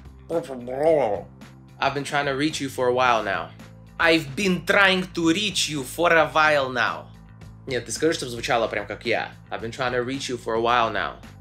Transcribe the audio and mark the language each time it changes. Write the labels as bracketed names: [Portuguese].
[English] I've been trying to reach you for a while now. I've been trying to reach you for a while now. [Russian] Нет, ты скажи, чтобы звучало прям как я. [English] I've been trying to reach you for a while now.